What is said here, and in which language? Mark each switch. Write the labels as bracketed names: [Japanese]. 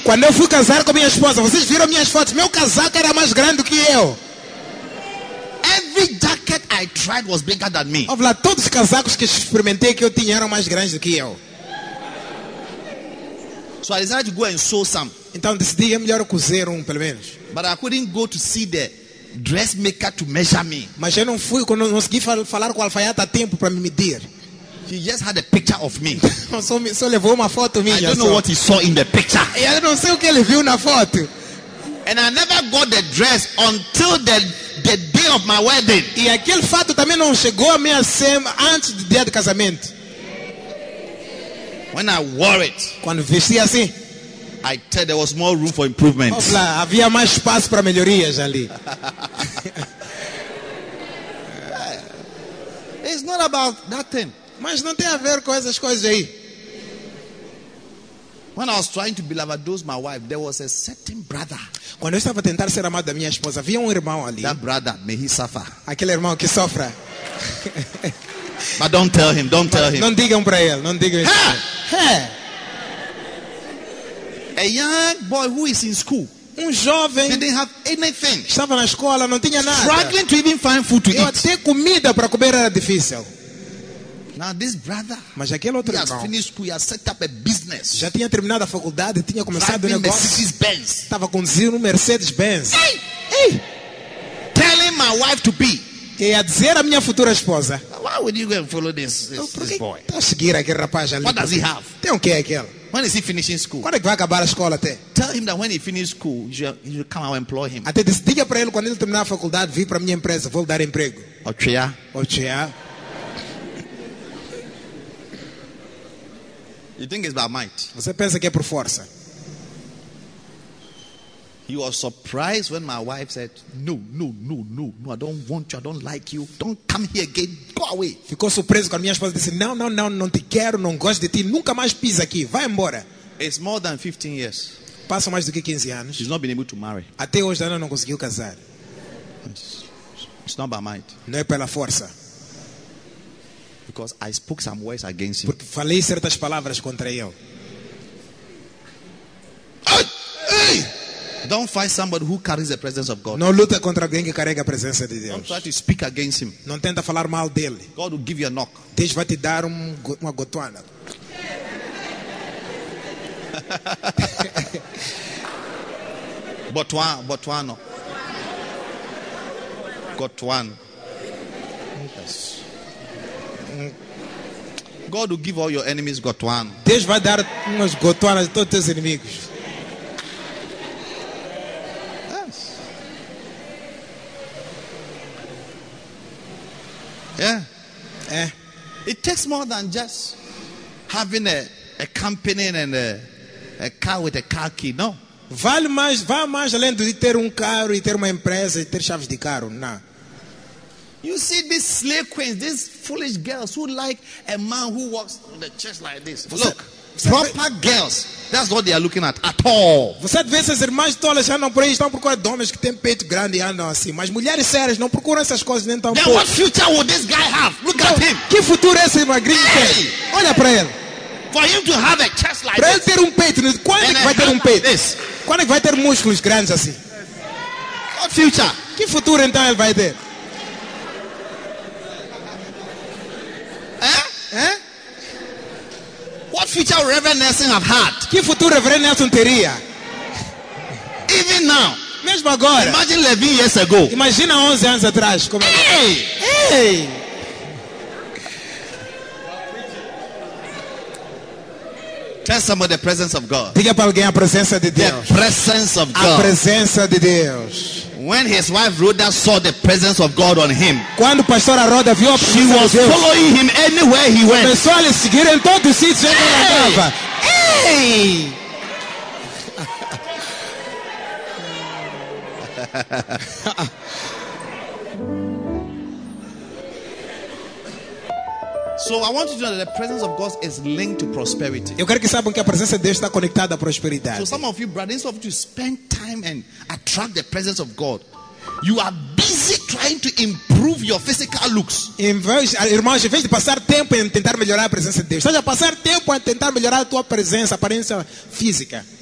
[Portuguese] Quando eu fui casar com minha esposa, vocês viram minhas fotos. Meu casaco era mais grande que eu. [English] Every jacket I tried was bigger than me. [Portuguese] Of lá, todos os casacos que experimentei que eu tinha eram mais grandes do que eu. [English] So I decided to go and sew some. [Portuguese] Então decidi é melhor cozer pelo menos. [English] But I couldn't go to see the dressmaker to measure me. [Portuguese] Mas eu não fui, quando não consegui falar com o alfaiate a tempo para me medir. [English] He just had a picture of me. [Portuguese] So levou uma foto minha. [English] I don't know what he saw in the picture. [Portuguese] Eu não sei o que ele viu na foto. [English] And I never got the dress until the day of my wedding. [Portuguese] E aquele fato também não chegou a minha cena antes do dia do casamento. [English] When I wore it, [Portuguese] quando vesti assim, [English] I tell there was more room for improvement. [Portuguese] Opa, havia mais espaço para melhorias ali. [English] It's not about that thing. [Portuguese] Mas não tem a ver com essas coisas aí. [English] When I was trying to beloved my wife, there was a certain brother. [Portuguese] Quando eu estava tentando ser amado da minha esposa, havia um irmão ali. [English] That brother, may he suffer. [Portuguese] Aquele irmão que sofre. [English] But don't tell him, don't tell him. [Portuguese] Não digam para ele, não digam isso. [English] A young boy who is in school. [Portuguese] Um jovem. [English] They didn't have anything. [Portuguese] Estava na escola, não tinha nada. [English] Struggling to even find food to eat. [Portuguese] Ter comida para comer era difícil. [English] Now this brother, [Portuguese] mas aquele outro [English] he [Portuguese] irmão, [English] has finished school, he has set up a business. [Portuguese] Já tinha terminado a faculdade, tinha começado [English] driving [Portuguese] o negócio. [English] Mercedes Benz. [Portuguese] Tava conduzindo um Mercedes Benz. [English] Hey, [Portuguese] hey, [English] telling my wife to be. [Portuguese] Que ia dizer a minha futura esposa. [English] Why would you go and follow this boy? [Portuguese] Tá seguindo aquele rapaz ali. [English] What does he have? [Portuguese] Tem o que é aquele? [English] When is he finishing school? [Portuguese] Quando é que vai acabar a escola até? [English] Tell him that when he finishes school, you should come and employ him. [Portuguese] Até disse, diga para ele quando ele terminar a faculdade, vir para minha empresa, vou dar emprego. Ochiá. [English] You think it's by might. [Portuguese] Você pensa que é por força. [English] He was surprised when my wife said, no, I don't want you, I don't like you, don't come here again, go away. [Portuguese] Ficou surpreso quando minha esposa disse, não, não te quero, não gosto de ti, nunca mais pisa aqui, vai embora. [English] It's more than 15 years. [Portuguese] Passam mais do que 15 anos. [English] She's not been able to marry. [Portuguese] Até hoje ela não conseguiu casar. [English] It's not by might. [Portuguese] Não é pela força. [English] Because I spoke some words against him. [Portuguese] Porque falei certas palavras contra ele. [English] Don't fight somebody who carries the presence of God. [Portuguese] Não luta contra alguém que carrega a presença de Deus. [English] Don't try to speak against him. [Portuguese] Não tenta falar mal dele. [English] God will give you a knock. [Portuguese] Deus vai te dar uma gotuana. Botuano. Gotuano. [English] God will give all your enemies gotuano. [Portuguese] Deus vai dar umas gotuanas a todos os teus inimigos. [English] Yeah. Yeah. It takes more than just having a company and a car with a car key. No. [Portuguese] Vale mais além de ter carro e ter uma empresa e ter chaves de carro. [English] No. You see these slave queens, these foolish girls who like a man who walks in the church like this. Look. Proper girls. That's what they are looking at all. [Portuguese] Você vê essas irmãs tolas andam por aí, estão procurando homens que têm peito grande e andam assim. Mas mulheres sérias não procuram essas coisas nem tão pouco. [English] What future would this guy have? Look at him. [Portuguese] Que futuro esse magrinho tem? Olha para ele. [English] For him to have a chest like [Portuguese] para ele ter peito, quando é que vai ter peito? Quando é que vai ter músculos grandes assim? [English] What future? [Portuguese] Que futuro então ele vai ter? [English] What future Reverend Nelson have had? [Portuguese] Que futuro Reverend Nelson teria? [English] Even now. [Portuguese] Mesmo agora. [English] Imagine 11 years ago. [Portuguese] Imagina 11 anos atrás. Como [English] hey! Hey! Tell somebody the presence of God. [Portuguese] Diga para alguém a presença de Deus. [English] The presence of God. [Portuguese] A presença de Deus. [English] When his wife Rhoda saw the presence of God on him, [Portuguese] quando pastora Rhoda viu a presença de Deus, [English] she was following him anywhere he went. [Portuguese] Começou a lhe seguir em todo o sítio onde ele andava. [English] Hey! So I want you to know that the presence of God is linked to prosperity. [Portuguese] Eu quero que saibam que a presença de Deus está conectada à prosperidade. [English] So some of you brothers, instead of you spend time and attract the presence of God, you are busy trying to improve your physical looks. [Portuguese] Irmãos, em vez de passar tempo em tentar melhorar a presença de Deus, está a passar tempo em tentar melhorar a tua presença, a aparência física.